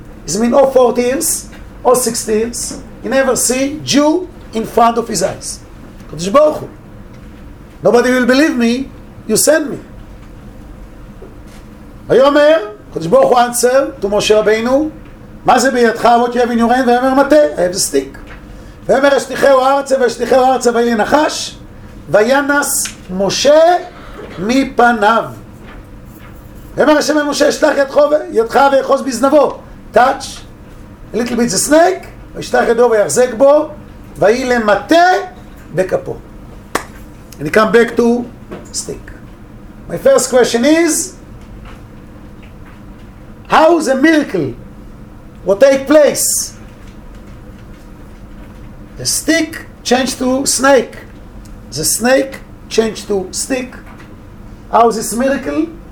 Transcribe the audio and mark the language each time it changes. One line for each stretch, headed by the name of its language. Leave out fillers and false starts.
English: It means or 40 years or 60 years. He never see Jew in front of his eyes. Kodesh Baruch Hu. Nobody will believe me. You send me. Vayomer, Kodesh Baruch Hu answer to Moshe Rabbeinu,
Hebrew: מה זה בידך?
English: What you have in your hand?
Hebrew: ואמר מתה,
English: I have the stick.
Hebrew: ואמר השליחהו ארצה, והשליחהו ארצה, והיה נחש, וינס משה מפניו. ואמר השם למשה, אשלח ידך ויחוז בזנבו.
English: Touch, a little bit the snake,
Hebrew: וישלח ידו ויחזק בו, והיה למתה בכפו.
English: And I come back to stick. My first question is, how is a miracle? What take place? The stick changed to snake. The snake changed to stick. How is this miracle?